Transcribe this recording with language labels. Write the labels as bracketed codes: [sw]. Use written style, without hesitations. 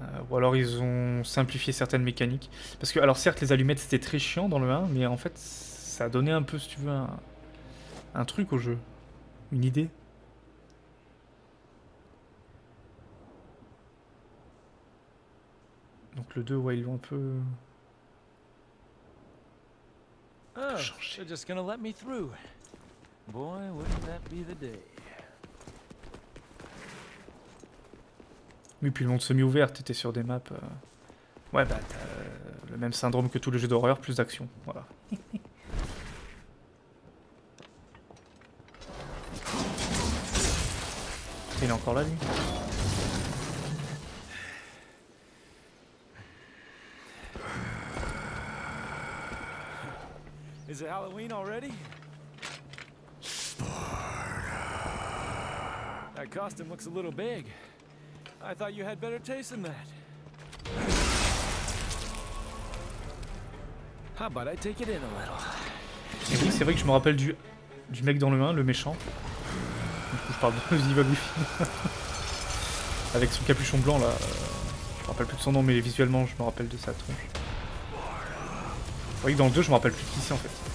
[fr] Ou alors, ils ont simplifié certaines mécaniques. Parce que, alors certes, les allumettes, c'était très chiant dans le 1, mais en fait, ça a donné un peu, si tu veux, un truc au jeu. Une idée. Donc, le 2, ouais, ils l'ont un peu... [en] Oh, they're just gonna let me through. Boy, wouldn't that be the day. [fr] Oui, puis le monde semi-ouvert, t'étais sur des maps. Ouais, bah, t'as le même syndrome que tous les jeux d'horreur, plus d'action. Voilà. Il est encore là, lui. [en] Is it Halloween already? Sparta. That costume looks a little big. I thought you had better taste than that. How about I take it in a little? [fr] Et oui, c'est vrai que je me rappelle du mec dans le 1, le méchant. Du coup, je parle de Evil Wolfie. Avec son capuchon blanc là. Je me rappelle plus de son nom, mais visuellement, je me rappelle de sa tronche. Vous voyez que dans le 2, je me rappelle plus de qui c'est en fait.